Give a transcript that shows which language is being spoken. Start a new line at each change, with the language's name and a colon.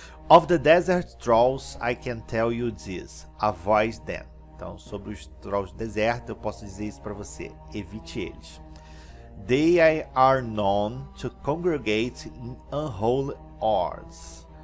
English: Of the desert trolls, I can tell you this. Avoid them.
Portuguese: Então, sobre os trolls do deserto, eu posso dizer isso para você. Evite eles.
English: They are known to congregate in unholy hordes.